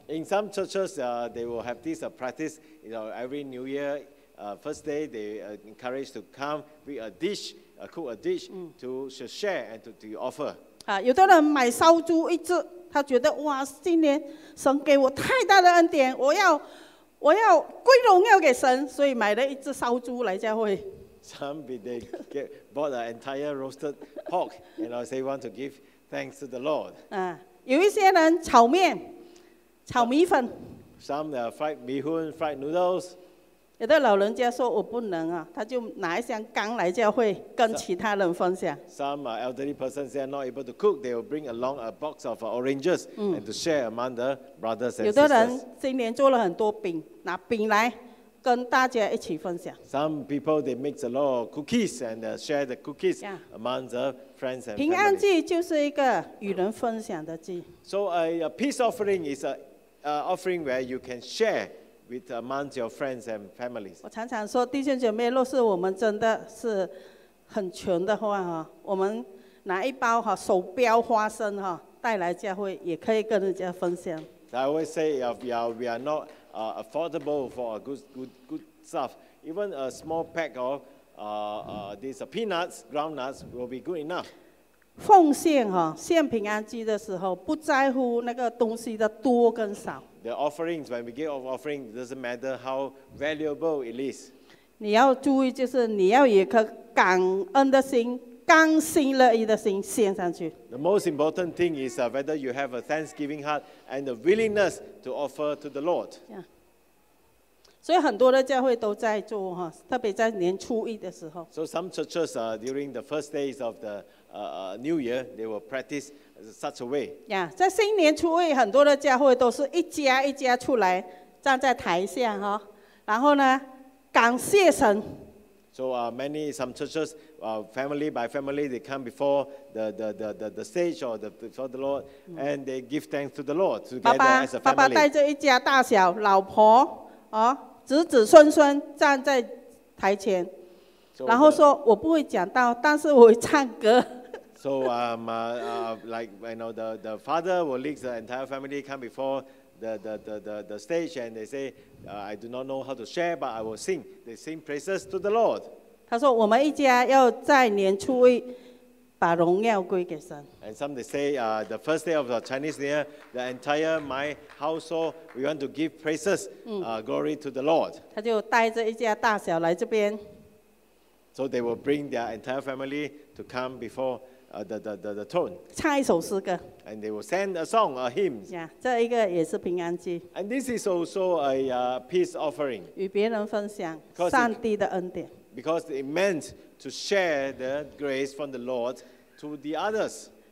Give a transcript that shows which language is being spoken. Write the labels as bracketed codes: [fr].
[en] In some churches, they will have this practice. You know, every New Year, first day, they encourage to come with a dish, cook a dish to share and to offer. [zh] 啊，有的人买烧猪一只，他觉得哇，今年神给我太大的恩典，我要归荣耀给神，所以买了一只烧猪来教会。 [en] Some they bought an entire roasted pork, and I say want to give thanks to the Lord. [zh] 有一些人炒面、炒米粉。 [en] Some fried 米粉、fried noodles. [zh] 有的老人家说我不能啊，他就拿一箱缸来教会跟其他人分享。 [en] Some elderly persons are not able to cook, they will bring along a box of oranges and to share among the brothers and sisters. [zh] 有的人今年做了很多饼，拿饼来。跟大家一起分享。 [en] Some people they make a lot of cookies and share the cookies among the friends and family. [zh] 平安祭就是一个与人分享的祭。 [en] So a peace offering is a offering where you can share with among your friends and families. [zh] 我常常说，弟兄姐妹，若是我们真的是很穷的话哈，我们拿一包哈手标花生哈带来教会，也可以跟人家分享。 [en] I always say if we are not affordable for a good stuff. Even a small pack of these peanuts, groundnuts will be good enough. [zh] 奉献哈，献平安祭的时候，不在乎那个东西的多跟少。 [en] The offerings when we give of offering doesn't matter how valuable it is. [zh] 你要注意，就是你要有颗感恩的心。甘心乐意的心献上去。 [en] The most important thing is whether you have a thanksgiving heart and the willingness to offer to the Lord. Yeah. [zh] 所以很多的教会都在做哈，特别在年初一的时候。 [en] So some churches during the first days of the New Year, they will practice such a way. [zh] Yeah, 在新年初一，很多的教会都是一家一家出来站在台下哈，然后呢，感谢神。 [en] So many some churches, family by family, they come before the stage or before the Lord, and they give thanks to the Lord together [zh] 爸爸, [en] as a family. [zh] 爸爸带着一家大小、老婆、子子孙孙站在台前， so、然后说：“我不会讲道，但是我会唱歌。 [en] ” So like you know, the father will lead the entire family come before the stage, and they say. I do not know how to share, but I will sing. They sing praises to the Lord. [zh] 他说我们一家要在年初一把荣耀归给神。 [en] And some they say, the first day of the Chinese New Year, the entire my household, we want to give praises, glory to the Lord. [zh] 他就带着一家大小来这边。 [en] So they will bring their entire family to come before the tone. [zh] 唱一首诗歌。 [en] And they will send a song, a hymn. [zh] Yeah, 这一个也是平安祭。 [en] And this is also a peace offering. [zh] 与别人分享上帝的恩典。 [en] Because it meant to share the grace from the Lord to the others.